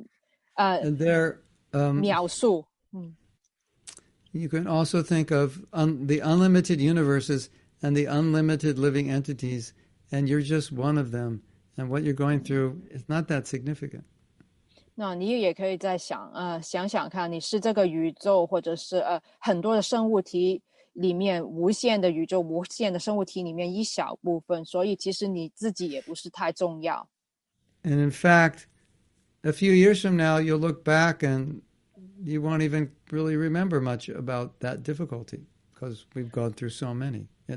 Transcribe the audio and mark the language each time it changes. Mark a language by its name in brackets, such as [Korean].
[Chinese] 这是我现在所经验的困难呢，只是一个很小很小的，在这个永恒的时间里面很小很小的一个秒数。 [English] You can also think of the unlimited universes and the unlimited living entities, and you're just one of them. And what you're going through is not that significant. [Chinese] 那你也可以再想，想想看，你是这个宇宙，或者是很多的生物体里面无限的宇宙、无限的生物体里面一小部分，所以其实你自己也不是太重要。 [English] And in fact, a few years from now, you'll look back and you won't even really remember much about that difficulty because we've gone through so many.